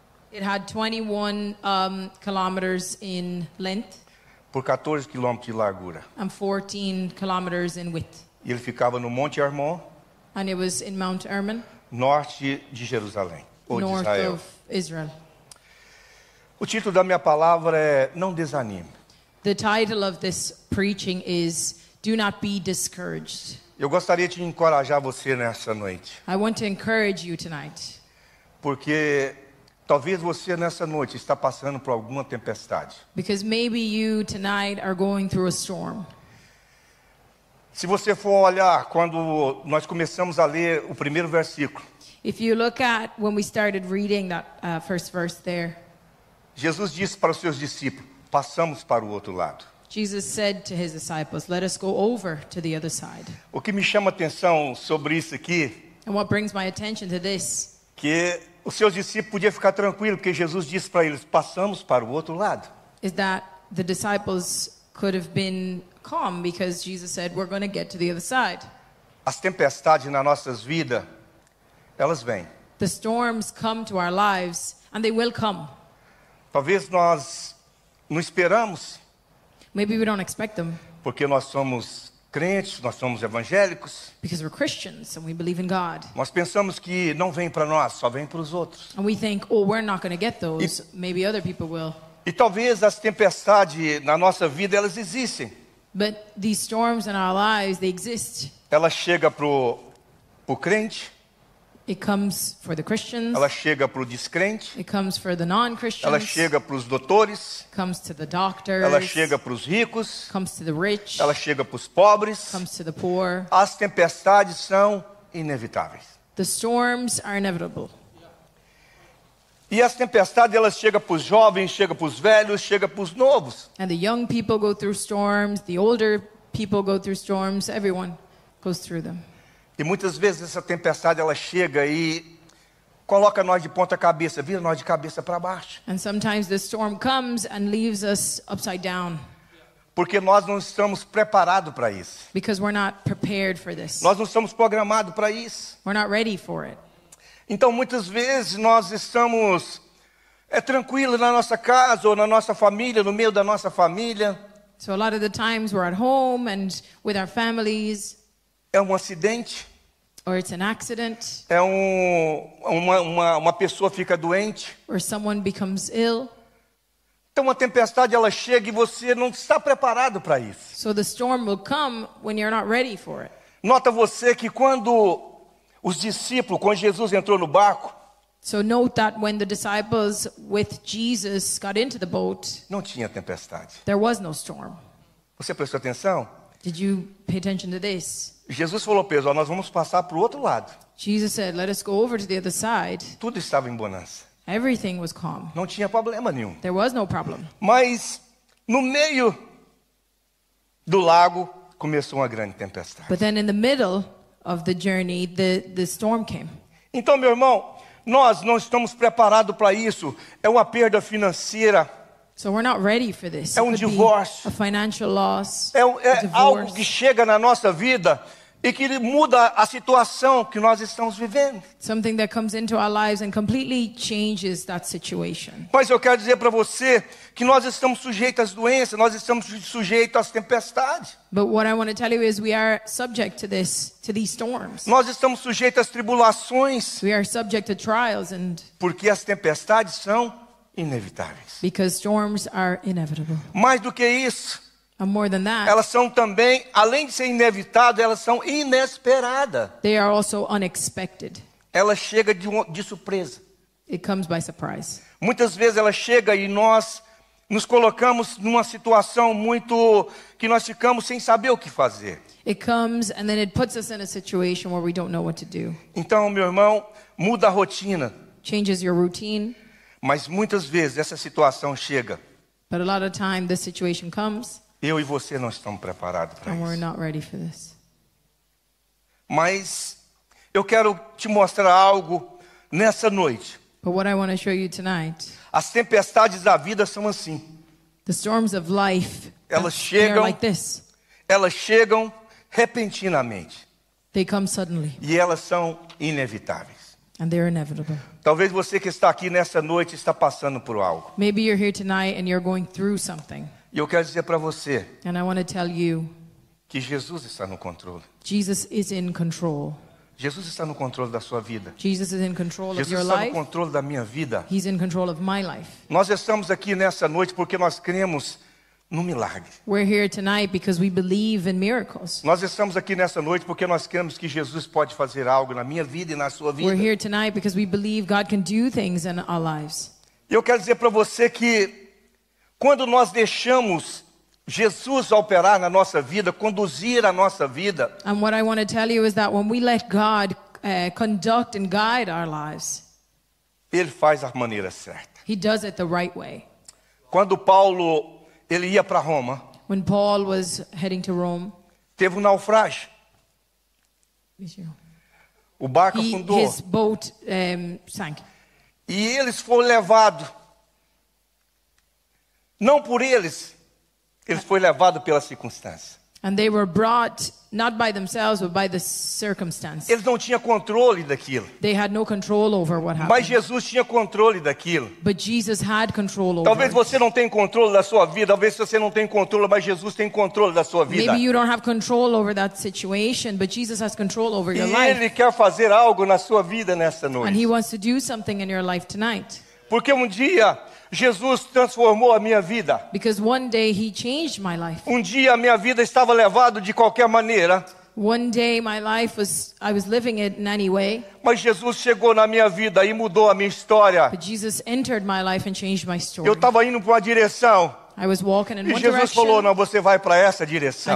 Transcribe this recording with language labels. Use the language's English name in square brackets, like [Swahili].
[English] It had 21 kilometers in length. [Portuguese] Por 14 quilômetros de largura. [English] And 14 kilometers in width. [Portuguese] E ele ficava no Monte Hermon. [English] And it was in Mount Hermon. [Portuguese] Norte de Jerusalém, ou [English] north [Portuguese] de Israel. [English] Of Israel. [Portuguese] O título da minha palavra é "Não desanime." [English] The title of this preaching is "Do not be discouraged." [Portuguese] Eu gostaria de encorajar você nessa noite. [English] I want to encourage you tonight. [Portuguese] Porque talvez você nessa noite está passando por alguma tempestade. [English] Because maybe you tonight are going through a storm. [Portuguese] Se você for olhar quando nós começamos a ler o primeiro versículo. [English] If you look at when we started reading that first verse there. [Portuguese] Jesus disse para os seus discípulos, "Passamos para o outro lado." [English] Jesus said to his disciples, "Let us go over to the other side." [Portuguese] O que me chama atenção sobre isso aqui? [English] And what brings my attention to this? [Portuguese] Que os seus discípulos podiam ficar tranquilos, porque Jesus disse para eles, "Passamos para o outro lado." [English] Is that the disciples could have been calm because Jesus said, "We're going to get to the other side." [Portuguese] As tempestades nas nossas vidas, elas vêm. [English] The storms come to our lives and they will come. [Portuguese] Talvez nós não esperamos. [English] Maybe we don't expect them. [Portuguese] Porque nós somos crentes, nós somos evangélicos. [English] Because we're Christians and we believe in God. [Portuguese] Nós pensamos que não vem para nós, só vem para os outros. [English] And we think, "Oh, we're not going to get those. Maybe other people will." [Portuguese] E talvez as tempestades na nossa vida, elas existem. [English] But these storms in our lives, they exist. [Portuguese] Ela chega pro crente. [English] It comes for the Christians. [Portuguese] Ela chega pro descrente. [English] It comes for the non-Christians. [Portuguese] Ela chega pros doutores. [English] It comes to the doctors. [Portuguese] Ela chega pros ricos. [English] It comes to the rich. [Portuguese] Ela chega pros pobres. [English] It comes to the poor. [Portuguese] As tempestades são inevitáveis. [English] The storms are inevitable. [Portuguese] E as tempestades, elas chegam pros jovens, chegam pros velhos, chegam pros novos. [English] And the young people go through storms, the older people go through storms, everyone goes through them. [Portuguese] E muitas vezes essa tempestade ela chega e coloca nós de ponta cabeça, vira nós de cabeça para baixo. [English] And sometimes the storm comes and leaves us upside down. [Portuguese] Porque nós não estamos preparados para isso. [English] Because we're not prepared for this. [Portuguese] Nós não estamos programados para isso. [English] We're not ready for it. [Portuguese] Então muitas vezes nós estamos tranquilo na nossa casa ou na nossa família, no meio da nossa família. [English] So a lot of the times we're at home and with our families. [Portuguese] É um acidente. [English] Or it's an accident. [Portuguese] É uma pessoa fica doente. [English] Or someone becomes ill. [Portuguese] Então uma tempestade ela chega e você não está preparado para isso. [English] So the storm will come when you're not ready for it. [Portuguese] Nota você que quando os discípulos, quando Jesus entrou no barco, [English] so note that when the disciples with Jesus got into the boat, [Portuguese] não tinha tempestade. [English] There was no storm. [Portuguese] Você prestou atenção? [English] Did you pay attention to this? [Portuguese] Jesus falou para eles, nós vamos passar para o outro lado. [English] Jesus said, let us go over to the other side. [Portuguese] Tudo estava em bonança. [English] Everything was calm. [Portuguese] Não tinha problema nenhum. [English] There was no problem. [Portuguese] Mas no meio do lago começou uma grande tempestade. [English] But then in the middle of the journey, the storm came. [Portuguese] Então, meu irmão, nós não estamos preparados para isso. É uma perda financeira. [English] So we're not ready for this. [Portuguese] É um divórcio. [English] A financial loss. [Portuguese] É algo que chega na nossa vida e que muda a situação que nós estamos vivendo. [English] Something that comes into our lives and completely changes that situation. [Portuguese] Mas eu quero dizer para você que nós estamos sujeitos às doenças, nós estamos sujeitos às tempestades. [English] But what I want to tell you is we are subject to this, to these storms. [Portuguese] Nós estamos sujeitos às tribulações. [English] We are subject to trials and. [Portuguese] Porque as tempestades são inevitáveis. [English] Because storms are inevitable. [Portuguese] Mais do que isso. [English] And more than that, [Portuguese] elas são também, além de ser inevitável, elas são inesperadas. [English] They are also unexpected. [Portuguese] Ela chega de surpresa. [English] It comes by surprise. [Portuguese] Muitas vezes ela chega e nós nos colocamos numa situação muito que nós ficamos sem saber o que fazer. [English] It comes and then it puts us in a situation where we don't know what to do. [Portuguese] Então, meu irmão, muda a rotina. [English] Changes your routine. [Portuguese] Mas muitas vezes essa situação chega. [English] But a lot of time this situation comes. [Portuguese] Eu e você não estamos preparados para isso. [English] We're not ready for this. [Portuguese] Mas eu quero te mostrar algo nessa noite. [English] But what I want to show you tonight, [Portuguese] as tempestades da vida são assim. [English] The storms of life, [Portuguese] elas chegam, [English] they are like this. [Portuguese] Elas chegam repentinamente. [English] They come suddenly. [Portuguese] E elas são inevitáveis. [English] And they're inevitable. [Portuguese] Talvez você que está aqui nessa noite está passando por algo. [English] Maybe you're here tonight and you're going through something. [Portuguese] E eu quero dizer para você. [English] And I want to tell you. [Portuguese] Que Jesus está no controle. [English] Jesus is in control. [Portuguese] Jesus está no controle da sua vida. [English] Jesus is in control [Portuguese] Jesus [English] of your [Portuguese] está [English] life. [Portuguese] No controle da minha vida. [English] He's in control of my life. [Portuguese] Nós estamos aqui nessa noite porque nós cremos no milagre. [English] We're here tonight because we believe in miracles. [Portuguese] Nós estamos aqui nessa noite porque nós cremos que Jesus pode fazer algo na minha vida e na sua vida. [English] We're here tonight because we believe God can do things in our lives. [Portuguese] Eu quero dizer para você que quando nós deixamos Jesus operar na nossa vida, conduzir a nossa vida. [English] And what I want to tell you is that when we let God conduct and guide our lives. [Portuguese] Ele faz a maneira certa. [English] He does it the right way. [Portuguese] Quando Paulo, ele ia para Roma. [English] When Paul was heading to Rome. [Portuguese] Teve um naufrágio. O barco afundou. [English] His boat sank. [Portuguese] E eles foram levados. Não por eles, eles foram levados pelas circunstâncias. [English] And they were brought not by themselves, but by the circumstances. [Portuguese] Eles não tinham controle daquilo. [English] They had no control over what happened. [Portuguese] Mas Jesus tinha controle daquilo. [English] But Jesus had control over. [Portuguese] Talvez você não tenha controle da sua vida, talvez você não tenha controle, mas Jesus tem controle da sua vida. [English] Maybe you don't have control over that situation, but Jesus has control over your life. [Portuguese] E ele quer fazer algo na sua vida nessa noite. [English] And he wants to do something in your life tonight. [Portuguese] Porque um dia Jesus transformou a minha vida. [English] Because one day he changed my life. [Portuguese] Um dia a minha vida estava levada de qualquer maneira. [English] One day my life was, I was living it in any way. [Portuguese] Mas Jesus chegou na minha vida e mudou a minha história. [English] But Jesus entered my life and changed my story. [Portuguese] Eu estava indo para uma direção. [English] I was walking in one direction. [Portuguese] E Jesus falou, não, você vai para essa direção.